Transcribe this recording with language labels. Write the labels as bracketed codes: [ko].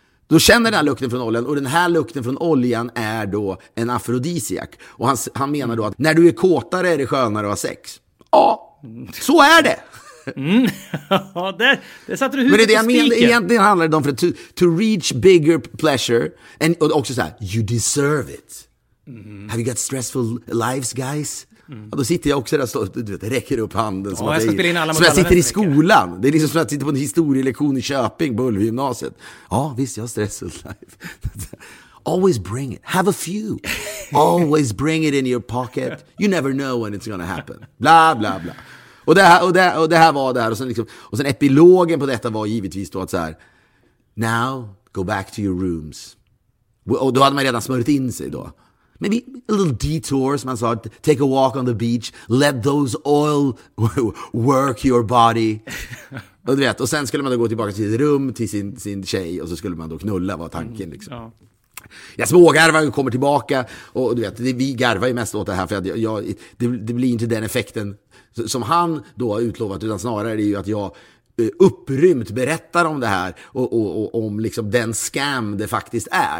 [sv] Då känner den här lukten från oljan, och den här lukten från oljan är då en afrodisiak. Och han menar då att när du är kåtare är det skönare att ha sex. Ja, så är det. Mm. Ja, det satte du huvudet. Men det är det jag menar, egentligen handlar det om, för att [en] to reach bigger pleasure, [sv] och också så här: [en] you deserve it. Mm. Have you got stressful lives, guys? Mm. [sv] Och då sitter jag också där och du vet, räcker upp handen som, ja, att jag sitter i skolan. Det är liksom som att sitta på en historielektion i Köping, Bullgymnasiet. Ja, visst, jag har [en] stressful life. Always bring it. Have a few. Always bring it in your pocket. You never know when it's gonna happen. Bla bla bla. [sv] Och det här var det här, och sen liksom, och sen epilogen på detta var givetvis då att så här: [en] "Now go back to your rooms." [sv] Och då hade man redan smörjt in sig då. [en] Maybe a little detour, [sv] som man sa, [en] take a walk on the beach, let those oil work your body. [sv] Och du vet, och sen skulle man då gå tillbaka till sitt rum, till sin tjej, och så skulle man då knulla, var tanken liksom. Jag smågarvar och kommer tillbaka, och du vet, vi garvar ju mest åt det här, för det blir inte den effekten som han då har utlovat, utan snarare är det ju att jag upprymt berättar om det här och om liksom den scam det faktiskt är.